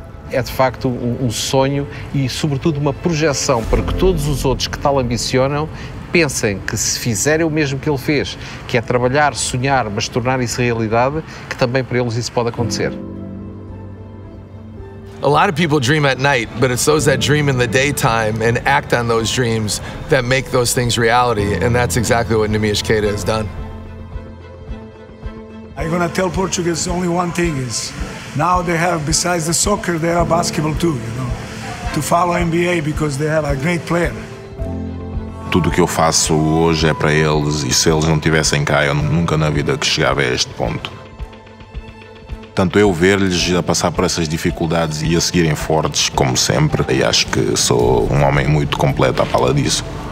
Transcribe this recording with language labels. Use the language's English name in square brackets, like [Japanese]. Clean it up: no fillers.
[Portuguese] É de facto um sonho e sobretudo uma projeção para que todos os outros que tal ambicionam pensem que se fizerem o mesmo que ele fez, que é trabalhar, sonhar, mas tornar isso realidade, que também para eles isso pode acontecer. [English] A lot of people dream at night, but it's those that dream in the daytime and act on those dreams that make those things reality, and that's exactly what Neemias Queta has done. I'm going to tell Portuguese only one thing is now they have, besides the soccer, they have basketball too, you know, to follow NBA because they have a great player. [Portuguese] Tudo que eu faço hoje é para eles, e se eles não tivessem cá, eu nunca na vida que chegava a este ponto. Tanto eu ver-lhes a passar por essas dificuldades e a seguirem fortes, como sempre, e acho que sou um homem muito completo à fala disso.